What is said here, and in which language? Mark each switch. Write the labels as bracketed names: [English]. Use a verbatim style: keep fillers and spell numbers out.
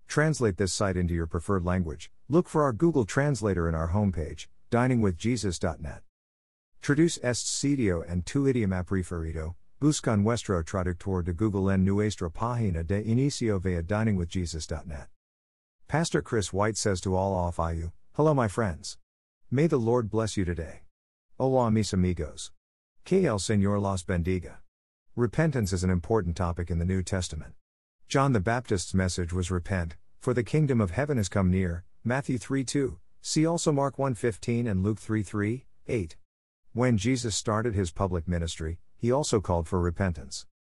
[English] Translate this site into your preferred language. Look for our Google Translator in our homepage, dining with jesus dot net. [Spanish] Traduce este sitio en tu idioma preferido, busca nuestro traductor de Google en nuestra página de inicio via dining with jesus dot net. [English] Pastor Chris White says to all of you, hello my friends. May the Lord bless you today. [Spanish] Hola mis amigos. Que el Señor los bendiga. [English] Repentance is an important topic in the New Testament. John the Baptist's message was repent, for the kingdom of heaven has come near, Matthew three two, see also Mark one fifteen and Luke three three, eight. When Jesus started his public ministry, he also called for repentance.